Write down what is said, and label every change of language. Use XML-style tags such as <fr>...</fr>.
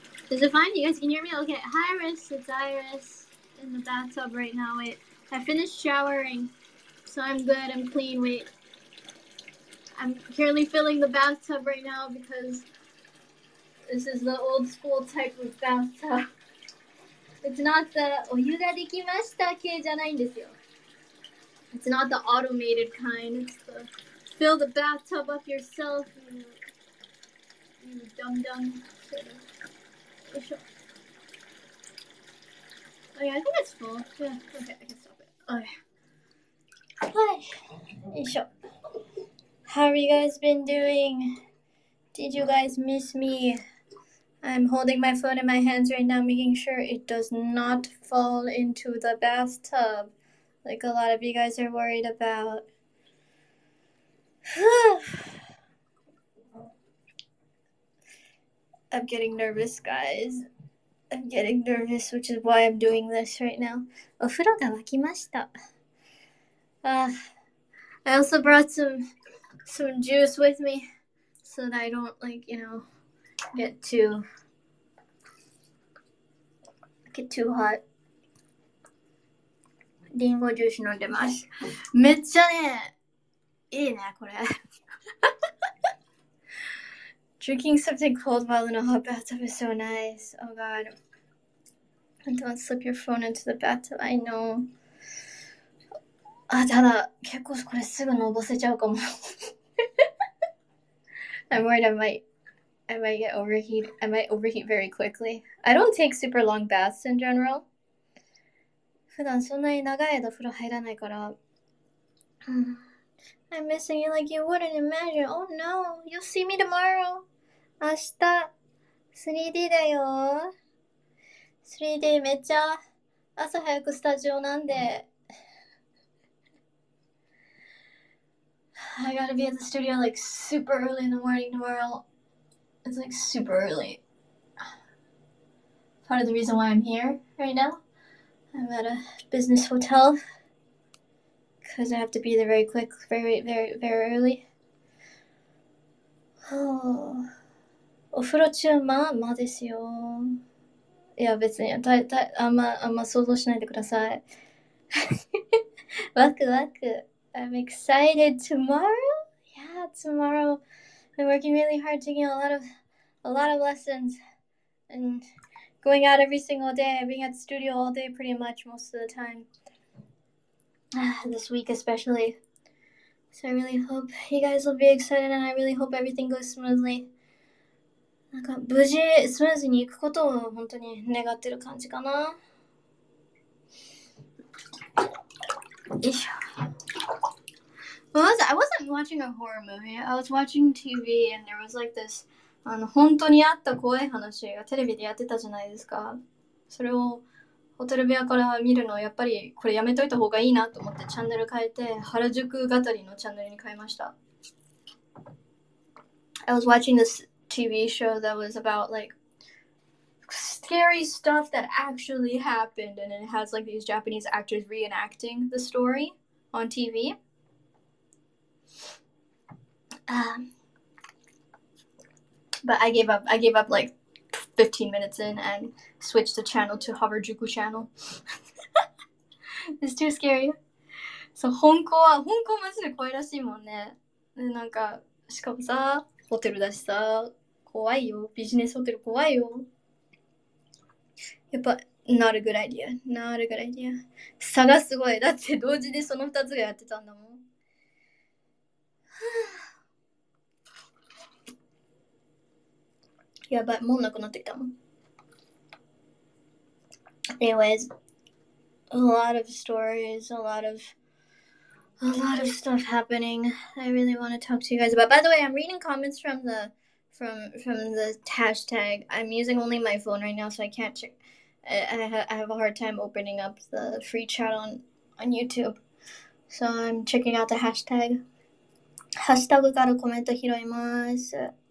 <en>Is it fine? You guys can hear me? Okay. Hi, Iris. It's Iris in the bathtub right now. Wait, I finished showering, so I'm good. I'm clean. Wait. I'm currently filling the bathtub right now because this is the old school type of bathtub. It's not the</en> <ja>お湯ができました系じゃないんですよ。</ja> <en>It's not the automated kind. It's the fill the bathtub up yourself, you dum-dum. Oh yeah, I think it's full. Yeah, okay, I can stop it. Okay. Hi. How have you guys been doing? Did you guys miss me? I'm holding my phone in my hands right now, making sure it does not fall into the bathtub, like a lot of you guys are worried about. I'm getting nervous, guys. I'm getting nervous, which is why I'm doing this right now.</en> <ja>お風呂が沸きました。</ja> <en>I also brought some juice with me so that I don't, like, you know, get too hot.</en> <ja>リンゴジュース飲んでます。めっちゃね、いいね、これ。</ja> <en>Drinking something cold while in a hot bathtub is so nice. Oh god. And don't slip your phone into the bathtub, I know.</en> <ja>あ、ただ、結構これすぐのぼせちゃうかも。</ja> <en>I'm worried I might overheat very quickly. I don't take super long baths in general.</en> <ja>普段そんなに長い間風呂入らないから。</ja> <en>I'm missing you like you wouldn't imagine. Oh no, you'll see me tomorrow.</en> <ja>明日、3D だよ。 3D めっちゃ朝早くスタジオなんで。</ja> <en>I gotta be at the studio like super early in the morning tomorrow. It's like super early. Part of the reason why I'm here right now. I'm at a business hotel. Because I have to be there very quick, very, very, very early.</en> <ja>お風呂中まあまあですよ。いや別にあんま想像しないでください。</ja> <en>ワクワク。I'm excited tomorrow? Yeah, tomorrow. I'm working really hard, taking a lot of lessons. And going out every single day, being at the studio all day pretty much most of the time. This week especially. So I really hope you guys will be excited and I really hope everything goes smoothly.</en> <ja>なんか無事スムーズに行くことを本当に願ってる感じかな。よいしょ。</ja> <en>I wasn't watching a horror movie. I was watching TV and there was like this</en> <ja>本当にあった怖い話がテレビでやってたじゃないですか。それをホテル部屋から見るのやっぱりこれやめといた方がいいなと思ってチャンネル変えて原宿語りのチャンネルに変えました。</ja> <en>I was watching thisTV show that was about like scary stuff that actually happened, and it has like these Japanese actors reenacting the story on TV. But I gave up like 15 minutes in and switched the channel to Harajuku channel. It's too scary.</en> <ja>So, 本校マジで怖いらしいもんね。で、なんか、しかもさ、ホテルだしさ。怖いよ。ビジネスホテル怖いよ。</ja> <en>やっぱ、not a good idea. Not a good idea.</en> <ja>差がすごい。だって同時にその2つがやってたんだもん。やばい。もうなくなってきたもん。</ja> <en>Anyways, a lot of stories, a lot of stuff happening. I really want to talk to you guys about. By the way, I'm reading comments from the hashtag. I'm using only my phone right now, so I can't check. I have a hard time opening up the free chat on YouTube. So I'm checking out the hashtag.</en> <ja>ハッシュタグからコメント拾います。</ja>